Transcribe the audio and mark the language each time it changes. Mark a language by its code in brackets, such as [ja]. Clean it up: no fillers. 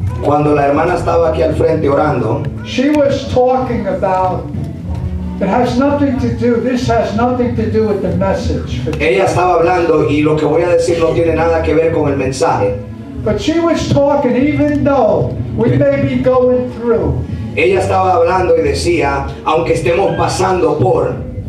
[es] cuando la hermana estaba aquí al frente orando, [en] she was talking about, it has nothing to do, this has nothing to do with the message. [es] Ella estaba hablando y lo que voy a decir no tiene nada que ver con el mensaje. [en] But she was talking even though we may be going through. [es] Ella estaba hablando y decía, aunque estemos pasando por